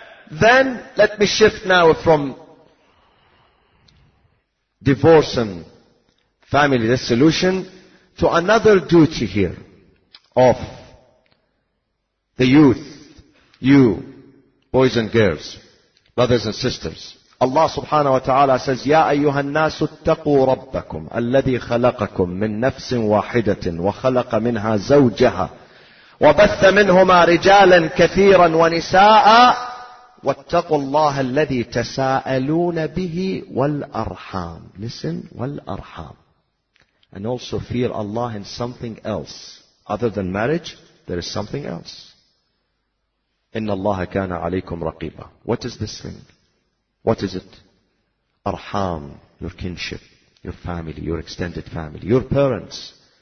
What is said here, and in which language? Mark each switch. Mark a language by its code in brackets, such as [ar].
[en] Then, let me shift now from divorce and family dissolution to another duty here of the youth, you, boys and girls, brothers and sisters. Allah subhanahu wa ta'ala says, [ar] يَا أَيُّهَا النَّاسُ اتَّقُوا رَبَّكُمْ الَّذِي خَلَقَكُمْ مِنْ نَفْسٍ وَاحِدَةٍ وَخَلَقَ مِنْهَا زَوْجَهَا وَبَثَّ مِنْهُمَا رِجَالًا كَثِيرًا وَنِسَاءً وَاتَّقُوا اللَّهَ الَّذِي تَسَاءَلُونَ بِهِ وَالْأَرْحَامِ. [en] Listen, [ar] والأرحام. [en] And also fear Allah in something else. Other than marriage, there is something else. [ar] إِنَّ اللَّهَ كَانَ عَلَيْكُمْ رَقِيبًا. [en] What is this thing? What is it? Arham, your kinship, your family, your extended family, your parents.